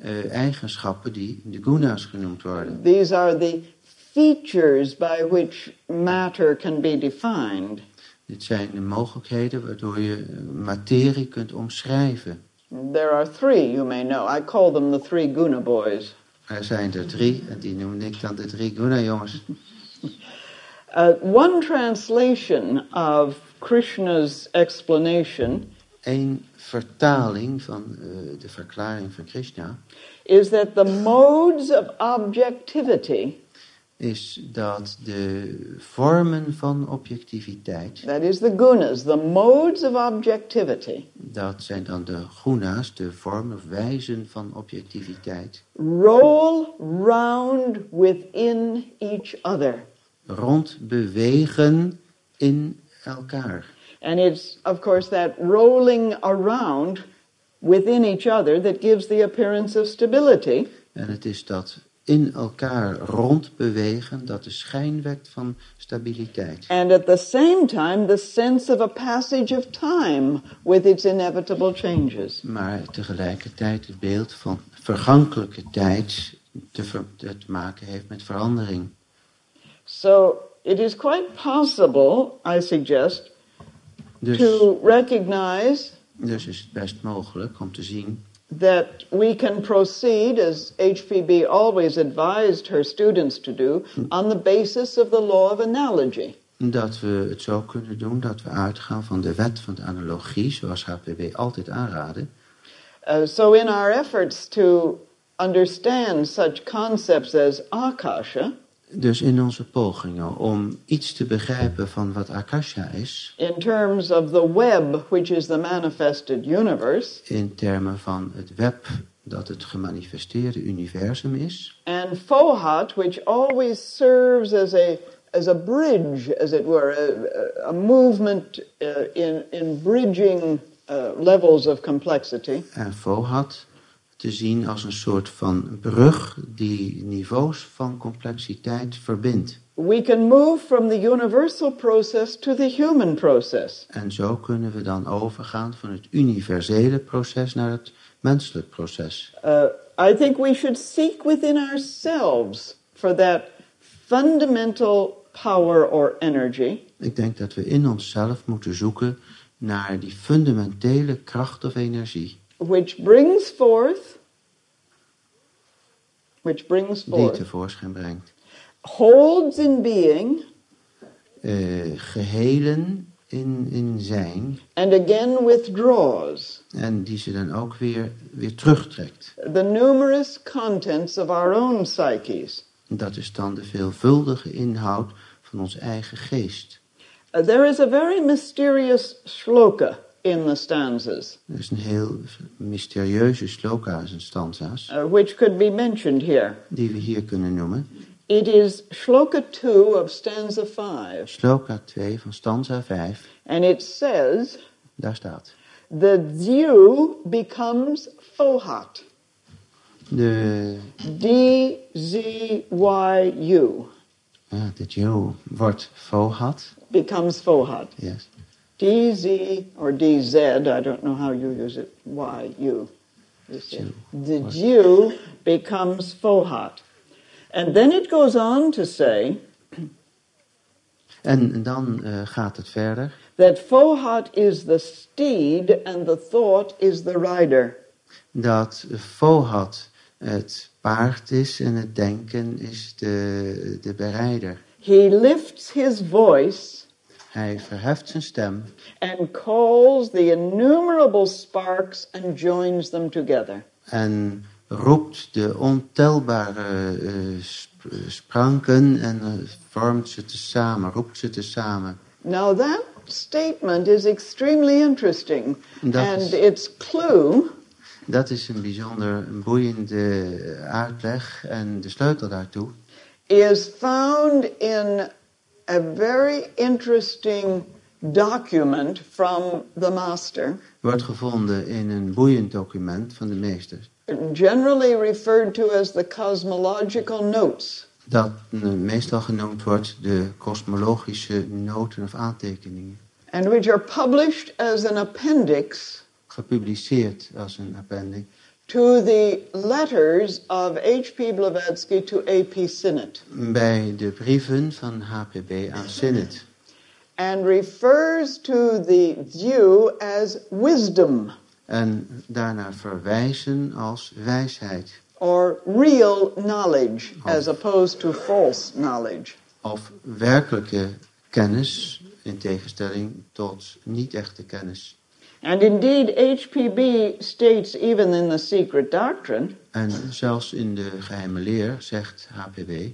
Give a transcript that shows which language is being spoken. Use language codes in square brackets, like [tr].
[nl] Eigenschappen die de gunas genoemd worden. [en] These are the features by which matter can be defined. [nl] Dit zijn de mogelijkheden waardoor je materie kunt omschrijven. [en] There are three, you may know. I call them the three guna boys. [nl] Er zijn er drie en die noem ik dan de drie guna jongens. [en] One translation of Krishna's explanation. [nl] Een vertaling van de verklaring van Krishna [en] is that the modes of objectivity [nl] is dat de vormen van objectiviteit, [en] that is the gunas, the modes of objectivity, [nl] dat zijn dan de gunas, de vormen of wijzen van objectiviteit, [en] roll round within each other, [nl] rondbewegen in elkaar. [en] And it's, of course, that rolling around within each other that gives the appearance of stability. [nl] En het is dat in elkaar rondbewegen dat de schijn wekt van stabiliteit. [en] And at the same time, the sense of a passage of time with its inevitable changes. [nl] Maar tegelijkertijd het beeld van vergankelijke tijd te maken heeft met verandering. [en] So it is quite possible, I suggest, [nl] dus, [en] to recognize, [nl] dus is het best mogelijk om te zien [en] that we can proceed, as HPB always advised her students to do, on the basis of the law of analogy. [nl] Dat we het zo kunnen doen, dat we uitgaan van de wet van de analogie, zoals HPB altijd aanraden. [en] So in our efforts to understand such concepts as Akasha, [nl] dus in onze pogingen om iets te begrijpen van wat Akasha is, [en] in terms of the web which is the manifested universe, [nl] in termen van het web dat het gemanifesteerde universum is, [en] and Fohat, which always serves as a bridge, as it were, a movement in bridging levels of complexity, [nl] en Fohat te zien als een soort van brug die niveaus van complexiteit verbindt. [en] We can move from the universal process to the human process. [nl] En zo kunnen we dan overgaan van het universele proces naar het menselijk proces. [en] I think we should seek within ourselves for that fundamental power or energy. [nl] Ik denk dat we in onszelf moeten zoeken naar die fundamentele kracht of energie. [en] Which brings forth. [nl] Die tevoorschijn brengt. [en] Holds in being. [nl] Gehelen in zijn. [en] And again withdraws. [nl] En die ze dan ook weer terugtrekt. [en] The numerous contents of our own psyches. [nl] Dat is dan de veelvuldige inhoud van ons eigen geest. [en] There is a very mysterious shloka in the stanzas. [nl] Er is een heel mysterieuze shloka in de stanzas. [en] Which could be mentioned here. [nl] Die we hier kunnen noemen. [en] It is shloka 2 of stanza 5. [nl] Shloka 2 van stanza 5. [en] And it says. [nl] Daar staat. [en] The dew becomes fohat. [nl] De D-Z-Y-U. Ja, de dew wordt fohat. [en] Becomes fohat. Yes. D-Z or D-Z, I don't know how you use it, Y-U. The dew becomes fohat. And then it goes on to say. [nl] En dan gaat het verder. [en] That fohat is the steed and the thought is the rider. [nl] Dat fohat het paard is en het denken is de berijder. [en] He lifts his voice. [nl] Hij verheft zijn stem. [en] And calls the innumerable sparks and joins them together. [nl] En roept de ontelbare spranken en vormt ze tezamen, roept ze tezamen. [en] Now that statement is extremely interesting. And its clue. [nl] Dat is een bijzonder een boeiende uitleg en de sleutel daartoe. [en] Is found in a very interesting document from the master. [nl] Wordt gevonden in een boeiend document van de meester. [en] Generally referred to as the cosmological notes. [nl] Dat meestal genoemd wordt de kosmologische noten of aantekeningen. [en] And which are published as an appendix. [nl] Gepubliceerd als een appendix. [en] To the letters of H.P. Blavatsky to A.P. Sinnott. [nl] Bij de brieven van H.P.B. aan Sinnott. [en] And refers to the view as wisdom. [nl] En daarna verwijzen als wijsheid. [en] Or real knowledge, as opposed to false knowledge. [nl] Of werkelijke kennis, in tegenstelling tot niet-echte kennis. [en] And indeed, HPB states even in the Secret Doctrine. [nl] En zelfs in de geheime leer zegt HPB.